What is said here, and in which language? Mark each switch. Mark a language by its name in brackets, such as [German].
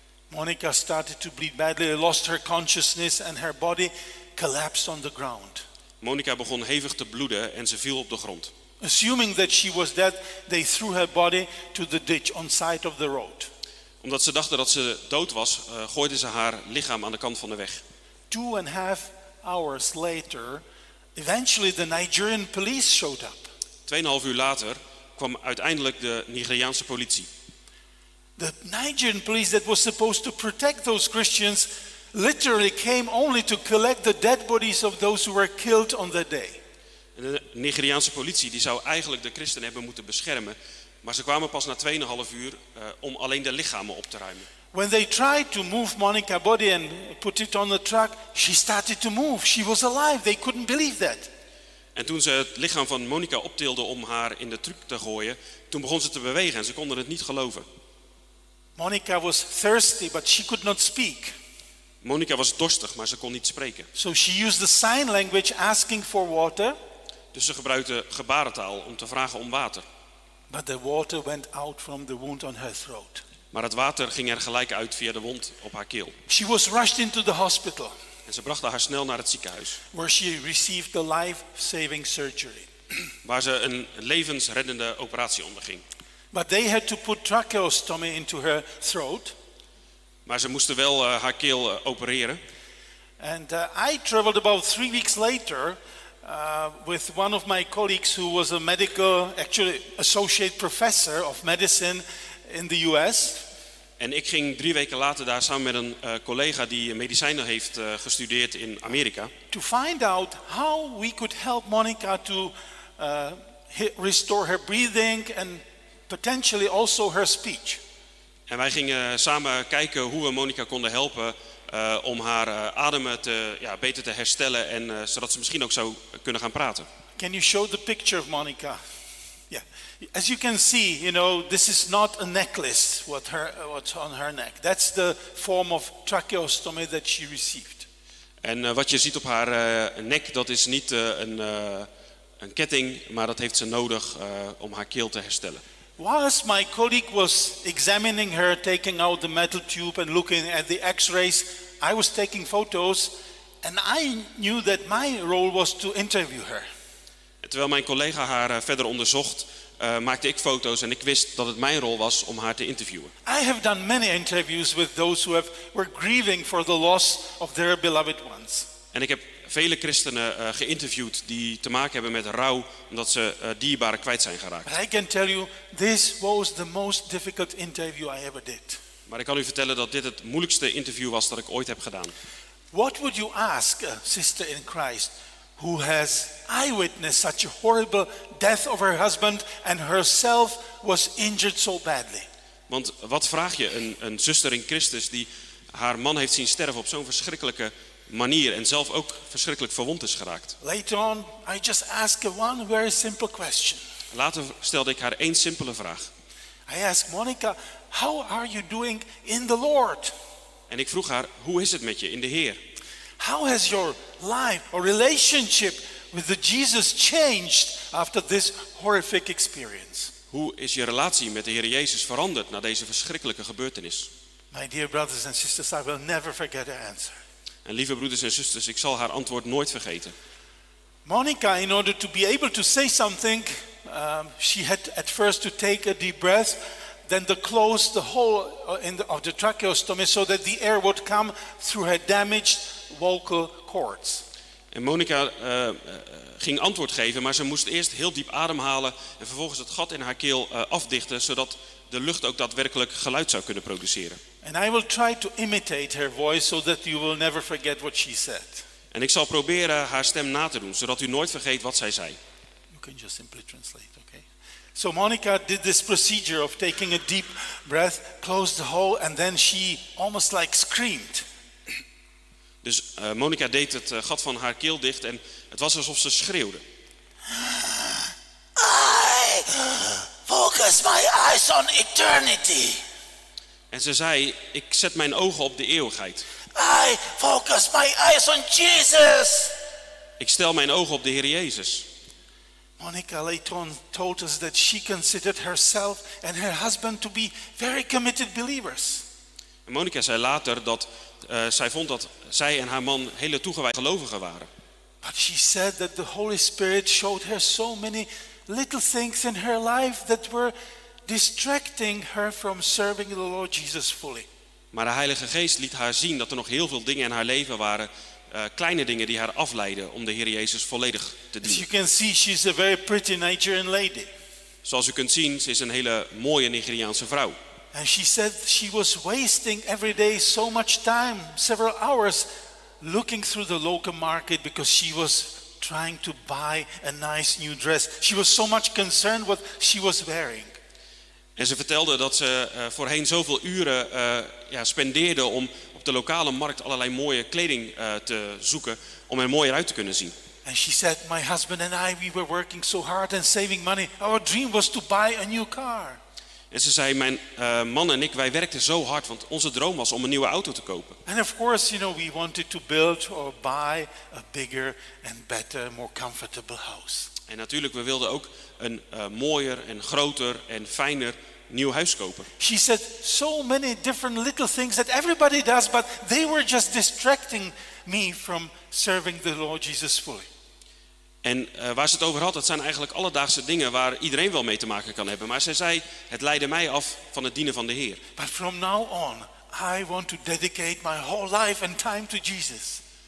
[English] Monica started to bleed badly, lost her consciousness and her body collapsed on the ground. [Dutch] Monica begon hevig te bloeden en ze viel op de grond. [English] Assuming that she was dead, they threw her body to the ditch on side of the road. [Dutch] Omdat ze dachten dat ze dood was, gooiden ze haar lichaam aan de kant van de weg. [English] 2.5 hours later, eventually the Nigerian police showed up. [Dutch] 2.5 uur later kwam uiteindelijk de Nigeriaanse politie. [English] The Nigerian police that was supposed to protect those Christians literally came only to collect the dead bodies of those who were killed on that day. [Dutch] De Nigeriaanse politie die zou eigenlijk de christenen hebben moeten beschermen. Maar ze kwamen pas na 2.5 uur om alleen de lichamen op te ruimen. [English] When they tried to move Monica's body and put it on the truck, she started to move. She was alive. They couldn't believe that. [Dutch] En toen ze het lichaam van Monica optilden om haar in de truck te gooien, toen begon ze te bewegen en ze konden het niet geloven. [English] Monica was thirsty, but she could not speak. [Dutch] Monica was dorstig, maar ze kon niet spreken. [English] So she used the sign language asking for water. [Dutch] Dus ze gebruikte gebarentaal om te vragen om water. [English] But the water went out from the wound on her throat. [Dutch] Maar het water ging er gelijk uit via de wond op haar keel. [English] She was rushed into the hospital. [Dutch] En ze brachten haar snel naar het ziekenhuis. [English] Where she received the life-saving surgery. [Dutch] Waar ze een levensreddende operatie onderging. [English] But they had to put tracheostomy into her throat. [Dutch] Maar ze moesten wel haar keel opereren. [English] And I traveled about 3 weeks later. With one of my colleagues who was a medical, actually associate professor of medicine in the US. [Dutch] En ik ging 3 weken later daar samen met een collega die medicijnen heeft gestudeerd in Amerika. [English] To find out how we could help Monica to restore her breathing and potentially also her speech. [Dutch] En wij gingen samen kijken hoe we Monica konden helpen. Om haar ademen beter te herstellen en zodat ze misschien ook zou kunnen gaan praten. [English] Can you show the picture of Monica? Yeah. As you can see, you know, this is not a necklace what's on her neck. That's the form of tracheostomy that she received. [Dutch] En wat je ziet op haar nek, dat is niet een ketting, maar dat heeft ze nodig om haar keel te herstellen. [English] Whilst my colleague was examining her, taking out the metal tube and looking at the x-rays, I was taking photos and I knew that my role was to interview her. [Dutch] Terwijl mijn collega haar verder onderzocht, maakte ik foto's en ik wist dat het mijn rol was om haar te interviewen. [English] I have done many interviews with those who have were grieving for the loss of their beloved ones. [Dutch] En ik heb vele christenen geïnterviewd die te maken hebben met rouw omdat ze dierbaren kwijt zijn geraakt. [English] But I can tell you this was the most difficult interview I ever did. [Dutch] Maar ik kan u vertellen dat dit het moeilijkste interview was dat ik ooit heb gedaan. [English] What would you ask a sister in Christ who has eyewitnessed such a horrible death of her husband and herself was injured so badly? [Dutch] Want wat vraag je een zuster in Christus die haar man heeft zien sterven op zo'n verschrikkelijke manier en zelf ook verschrikkelijk verwond is geraakt? [English] Later on, I just asked one very simple question. [Dutch] Later stelde ik haar één simpele vraag. [English] I asked Monica, how are you doing in the Lord? [Dutch] En ik vroeg haar, hoe is het met je in de Heer? [English] How has your life or relationship with the Jesus changed after this horrific experience? [Dutch] Hoe is je relatie met de Heer Jezus veranderd na deze verschrikkelijke gebeurtenis? [English] My dear brothers and sisters, I will never forget her answer. [Dutch] En lieve broeders en zusters, ik zal haar antwoord nooit vergeten. [English] Monica, in order to be able to say something, she had at first to take a deep breath. Then they closed the hole in the, of the tracheostomy so that the air would come through her damaged vocal cords. [Dutch] En Monica ging antwoord geven, maar ze moest eerst heel diep ademhalen en vervolgens het gat in haar keel afdichten, zodat de lucht ook daadwerkelijk geluid zou kunnen produceren. [English] And I will try to imitate her voice so that you will never forget what she said. [Dutch] En ik zal proberen haar stem na te doen, zodat u nooit vergeet wat zij zei. [English] You can just simply translate, okay? So Monica did this procedure of taking a deep breath, closed the hole, and then she almost like screamed. [Dutch] Dus Monica deed het gat van haar keel dicht en het was alsof ze schreeuwde. [English] I focus my eyes on eternity. [Dutch] En ze zei, ik zet mijn ogen op de eeuwigheid. [English] I focus my eyes on Jesus. [Dutch] Ik stel mijn ogen op de Heer Jezus. [English] Monica Layton told us that she considered herself and her husband to be very committed believers. [Dutch] Monica zei later dat zij vond dat zij en haar man hele toegewijde gelovigen waren. [English] But she said that the Holy Spirit showed her so many little things in her life that were distracting her from serving the Lord Jesus fully. [Dutch] Maar de Heilige Geest liet haar zien dat er nog heel veel dingen in haar leven waren. Kleine dingen die haar afleiden om de Heer Jezus volledig te dienen. [English] As you can see, she's a very pretty Nigerian lady. [Dutch] Zoals u kunt zien, ze is een hele mooie Nigeriaanse vrouw. [English] And she said she was wasting every day so much time, several hours, looking through the local market because she was trying to buy a nice new dress. She was so much concerned what she was wearing. [Dutch] En ze vertelde dat ze voorheen zoveel uren spendeerde om op de lokale markt allerlei mooie kleding te zoeken om er mooier uit te kunnen zien. [English] And she said, my husband and I, we were working so hard and saving money. Our dream was to buy a new car. [Dutch] En ze zei, mijn man en ik, wij werkten zo hard, want onze droom was om een nieuwe auto te kopen. [English] And of course, you know, we wanted to build or buy a bigger and better, more comfortable house. [Dutch] En natuurlijk, we wilden ook een mooier en groter en fijner nieuw huis kopen. [English] She said so many different little things that everybody does, but they were just distracting me from serving the Lord Jesus fully. [Dutch] En waar ze het over had, dat zijn eigenlijk alledaagse dingen waar iedereen wel mee te maken kan hebben. Maar zij zei, het leidde mij af van het dienen van de Heer. [English] But from now on, I want to dedicate my whole life and time to Jesus.